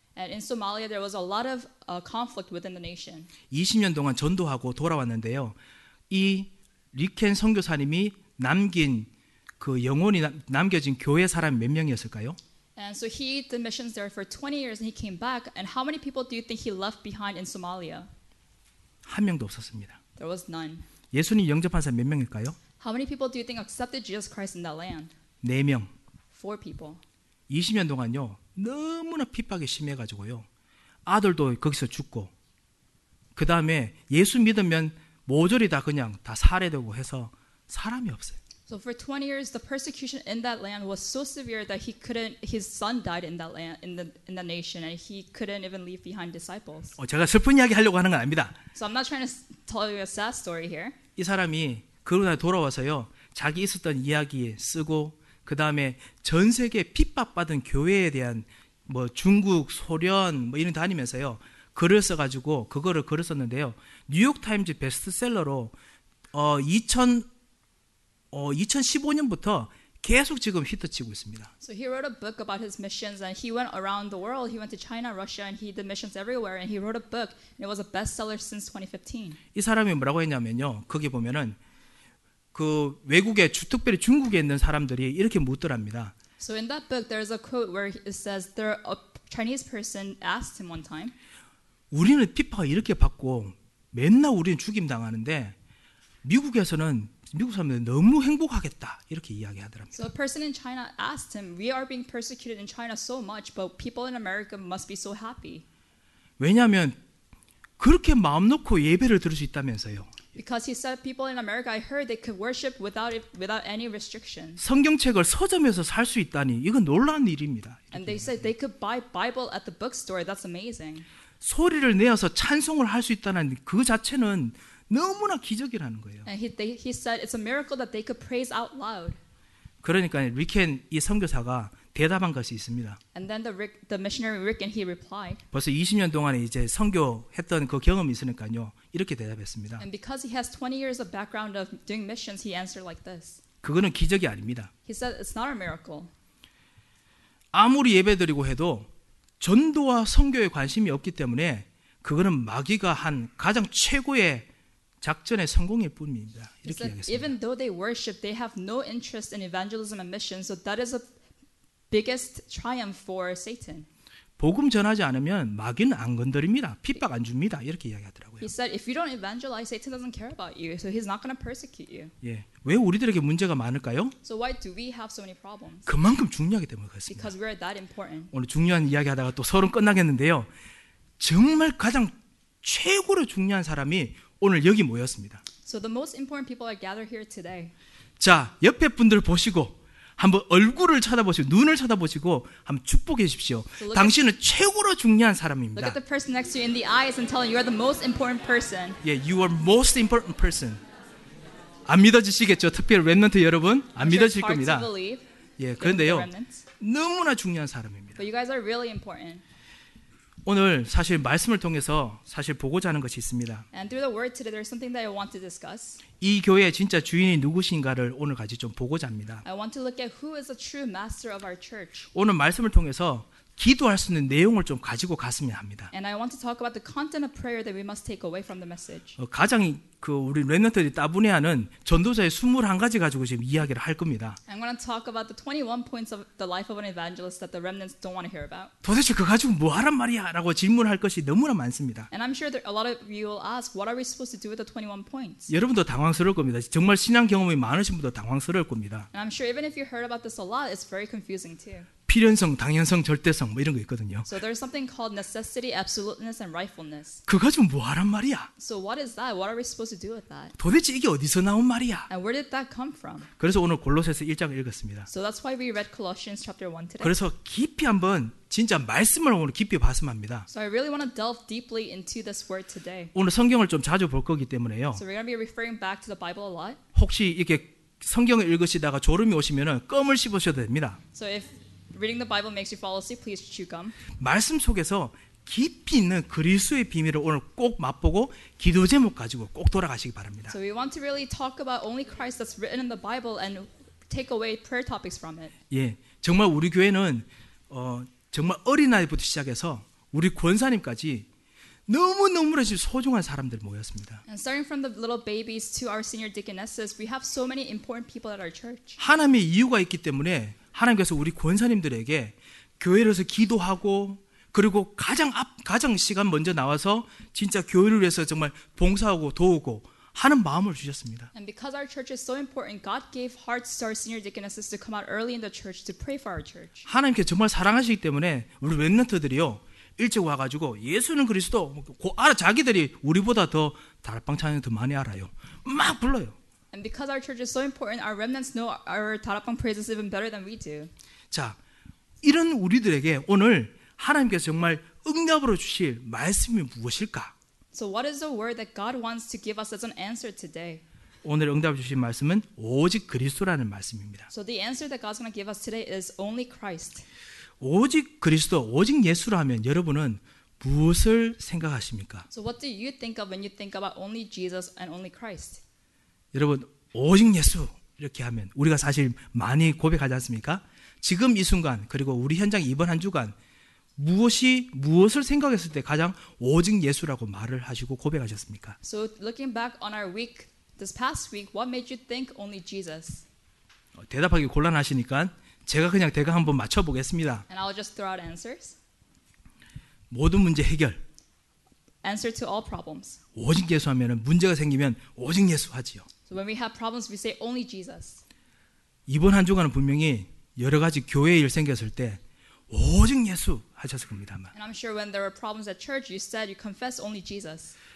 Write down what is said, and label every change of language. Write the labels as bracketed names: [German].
[English] And in Somalia there was a lot of conflict within the nation. [Korean] 20년 동안 전도하고 돌아왔는데요. 이 리켄 선교사님이 남긴 그 영혼이 남겨진 교회 사람 몇 명이었을까요? [English] And so he did missions there for 20 years and he came back. And how many people do you think he left behind in Somalia? [Korean] 한 명도 없었습니다. [English] There was none. [Korean] 예수님 영접한 사람 몇 명일까요? [English] How many people do you think accepted Jesus Christ in that land? [Korean] 네 명. [English] Four people. [Korean] 20년 동안요. 너무나 핍박이 심해가지고요. 아들도 거기서 죽고 그 다음에 예수 믿으면 모조리 다 그냥 다 살해되고 해서 사람이 없어요. [English] So for 20 years, the persecution in that land was so severe that his son died in that land, in the nation, and he couldn't even leave behind disciples. [Korean] 제가 슬픈 이야기 하려고 하는 건 아닙니다. [English] So I'm not trying to tell you a sad story here. [Korean] 이 사람이 그로 다 돌아와서요, 자기 있었던 이야기 쓰고, 그 다음에 전 세계 핍박받은 교회에 대한 뭐 중국, 소련 뭐 이런 데 다니면서요, 글을 써가지고 그거를 글을 썼는데요, 뉴욕 타임즈 베스트셀러로 2015년부터 계속 지금 히트치고 있습니다. [English] So he wrote a book about his missions and he went around the world. He went to China, Russia and he did missions everywhere and he wrote a book and it was a bestseller since 2015. [Korean] 이 사람이 뭐라고 했냐면요. 거기 보면은 그 외국에 특별히 중국에 있는 사람들이 이렇게 묻더랍니다. [English] So in that book there's a quote where it says there a Chinese person asked him one time. [Korean] 우리는 핍박 이렇게 받고 맨날 우리는 죽임 당하는데 미국에서는 미국 사람들은 너무 행복하겠다 이렇게 이야기하더랍니다. [English] So a person in China asked him, "We are being persecuted in China so much, but people in America must be so happy." [Korean] 왜냐하면 그렇게 마음 놓고 예배를 들을 수 있다면서요. [English] Because he said, "People in America, I heard they could worship without any restriction." [Korean] 성경책을 서점에서 살 수 있다니 이건 놀라운 일입니다. [English] And they said they could buy Bible at the bookstore. That's amazing. [Korean] 소리를 내어서 찬송을 할 수 있다는 그 자체는 너무나 기적이라는 거예요. [English] And he said it's a miracle that they could praise out loud. [Korean] 그러니까 리켄 이 선교사가 대답한 것이 있습니다. [English] And then the missionary Rick and he replied. [Korean] 벌써 20년 동안 이제 선교했던 그 경험이 있으니까요. 이렇게 대답했습니다. [English] And because he has 20 years of background of doing missions, he answered like this. [Korean] 그거는 기적이 아닙니다. [English] He said it's not a miracle. [Korean] 아무리 예배드리고 해도 전도와 선교에 관심이 없기 때문에 그거는 마귀가 한 가장 최고의 작전의 성공일 뿐입니다. 이렇게 얘기했어요. [English] Even though they worship, they have no interest in evangelism and mission. So that is the biggest triumph for Satan. [Korean] 복음 전하지 않으면 마귀는 안 건드립니다. 핍박 안 줍니다. 이렇게 이야기하더라고요. [English] He said, "If you don't evangelize, Satan doesn't care about you. So he's not going to persecute you." [Korean] 예, 왜 우리들에게 문제가 많을까요? [English] So why do we have so many problems? [Korean] 그만큼 중요하기 때문에 그렇습니다. [English] Because we are that important. [Korean] 오늘 중요한 이야기하다가 또 서론 끝나겠는데요. 정말 가장 최고로 중요한 사람이 오늘 여기 모였습니다. [English] So the most important people are gathered here today. [Korean] 자, 옆에 분들 보시고 한번 얼굴을 쳐다보시고 눈을 쳐다보시고 한번 축복해 주십시오. So 당신은 최고로 중요한 사람입니다. [English] Look at the person next to you in the eyes and tell them you are the most important person. Yeah, you are most important person. [Korean] 안 믿어지시겠죠? 특별히 렘넌트 여러분 안 믿어질 겁니다. 예, 그런데요 너무나 중요한 사람입니다. [English] But you guys are really important. [Korean] 오늘 사실 말씀을 통해서 사실 보고자 하는 것이 있습니다. [English] And through the word today, there's something that I want to discuss. [Korean] 이 교회의 진짜 주인이 누구신가를 오늘 같이 좀 보고자 합니다. [English] I want to look at who is the true master of our church. [Korean] 오늘 말씀을 통해서 기도할 수 있는 내용을 좀 가지고 갔으면 합니다. [English] And I want to talk about the content of prayer that we must take away from the message. [Korean] 가장 그 우리 렘넌트들이 따분해하는 전도자의 21가지 가지고 지금 이야기를 할 겁니다. [English] I'm going to talk about the 21 points of the life of an evangelist that the remnants don't want to hear about. [Korean] 도대체 그 가지고 뭐 하란 말이야? 라고 질문할 것이 너무나 많습니다. [English] And I'm sure there, a lot of you will ask, what are we supposed to do with the 21 points? [Korean] 여러분도 당황스러울 겁니다. 정말 신앙 경험이 많으신 분도 당황스러울 겁니다. [English] And I'm sure even if you heard about this a lot, it's very confusing too. [Korean] 필연성, 당연성, 절대성 뭐 이런 거 있거든요. [English] So there's something called necessity, absoluteness, and rightfulness. [Korean] 그 가지고 뭐 하란 말이야? [English] So what is that? What are we supposed to do with that? [Korean] 도대체 이게 어디서 나온 말이야? [English] And where did that come from? [Korean] 그래서 오늘 골로새서 1장 읽었습니다. [English] So that's why we read Colossians chapter 1 today. [Korean] 그래서 깊이 한번 진짜 말씀을 오늘 깊이 봤으면 합니다. [English] So I really want to delve deeply into this word today. [Korean] 오늘 성경을 좀 자주 볼 거기 때문에요. [English] So we're going to be referring back to the Bible a lot. [Korean] 혹시 이렇게 성경을 읽으시다가 졸음이 오시면은 껌을 씹으셔도 됩니다. [English] So if reading the Bible makes you fall asleep, please chew gum. [Korean] 말씀 속에서 깊이 있는 그리스도의 비밀을 오늘 꼭 맛보고 기도 제목 가지고 꼭 돌아가시기 바랍니다. [English] So we want to really talk about only Christ that's written in the Bible and take away prayer topics from it. [Korean] 예, 정말 우리 교회는 정말 어린 아이부터 시작해서 우리 권사님까지 너무 너무나 소중한 사람들 모였습니다. [English] And starting from the little babies to our senior deaconesses, we have so many important people at our church. [Korean] 하나님의 이유가 있기 때문에. 하나님께서 우리 권사님들에게 교회로서 기도하고 그리고 가장 시간 먼저 나와서 진짜 교회를 위해서 정말 봉사하고 도우고 하는 마음을 주셨습니다. [English] And because our church is so important, God gave hearts to our senior deaconesses to come out early in the church to pray for our church. [Korean] 하나님께 정말 사랑하시기 때문에 우리 렘넌트들이요 일찍 와가지고 예수는 그리스도 알아 자기들이 우리보다 더 다락방 찬양 더 많이 알아요. 막 불러요. [English] And because our church is so important, our remnants know our 다락방 praises even better than we do. [Korean] 자, 이런 우리들에게 오늘 하나님께서 정말 응답으로 주실 말씀이 무엇일까? [English] So what is the word that God wants to give us as an answer today? [Korean] 오늘 응답 주신 말씀은 오직 그리스도라는 말씀입니다. [English] So the answer that God's going to give us today is only Christ. [Korean] 오직 그리스도, 오직 예수라 하면 여러분은 무엇을 생각하십니까? [English] So what do you think of when you think about only Jesus and only Christ? [Korean] 여러분 오직 예수 이렇게 하면 우리가 사실 많이 고백하지 않습니까? 지금 이 순간 그리고 우리 현장 이번 한 주간 무엇을 생각했을 때 가장 오직 예수라고 말을 하시고 고백하셨습니까? [English] So looking back on our week, this past week, what made you think only Jesus? [Korean] 대답하기 곤란하시니까 제가 그냥 대강 한번 맞춰보겠습니다. [English] And I'll just throw out answers. [Korean] 모든 문제 해결. [English] Answer to all problems. [Korean] 오직 예수 하면은 문제가 생기면 오직 예수 하지요. [English] So when we have problems, we say only Jesus. [Korean] 이번 한 주간은 분명히 여러 가지 교회 일 생겼을 때 오직 예수 하셨을 겁니다. [English] And I'm sure when there were problems at church, you said you confess only Jesus.